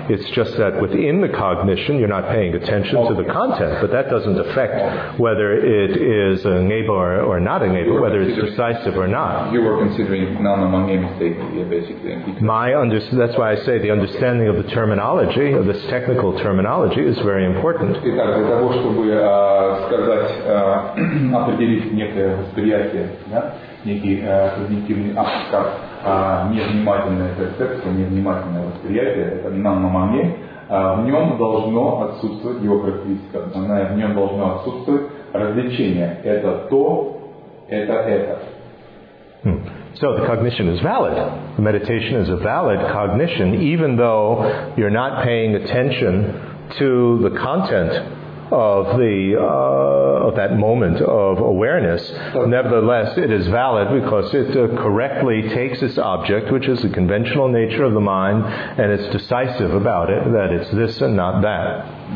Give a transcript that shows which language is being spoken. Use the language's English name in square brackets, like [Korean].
[English] It's just that within the cognition, you're not paying attention to the content, but that doesn't affect whether it is a Mangeba or not a Mangeba, whether it's decisive or not. You were considering Nangla Mangeba basically. That's why I say the understanding of the terminology, of this technical terminology, is very important. [Russian] Итак, для того, чтобы сказать, определить некое восприятие, да, некий когнитивный аппарат, невнимательная перцепция, невнимательное восприятие, это нанномане, в нем должно отсутствовать его характеристика, в нем должно отсутствовать развлечение. Это то, это. [English] So the cognition is valid. The meditation is a valid cognition, even though you're not paying attention to the content of the of that moment of awareness. Nevertheless, it is valid because it correctly takes its object, which is the conventional nature of the mind, and it's decisive about it, that it's this and not that.